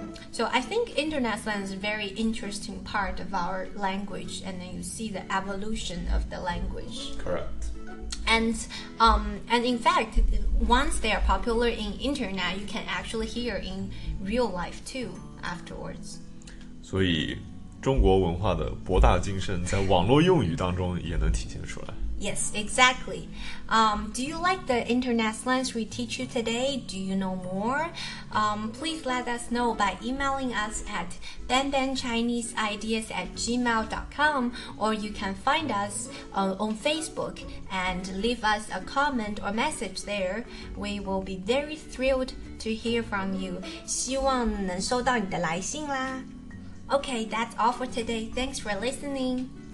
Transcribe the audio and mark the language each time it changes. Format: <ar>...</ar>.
<en>So I think internet slang is a very interesting part of our language, and then you see the evolution of the language. Correct. And in fact, once they are popular in internet, you can actually hear in real life too afterwards.</en> <zh>所以中国文化的博大精深在网络用语当中也能体现出来。</zh> <en>Yes, exactly. Do you like the internet slangs we teach you today? Do you know more? Please let us know by emailing us at benbenchineseideas@gmail.com or you can find us on Facebook and leave us a comment or message there. We will be very thrilled to hear from you.</en> <zh>希望能收到你的来信啦。</zh> <en>Okay, that's all for today. Thanks for listening.</en>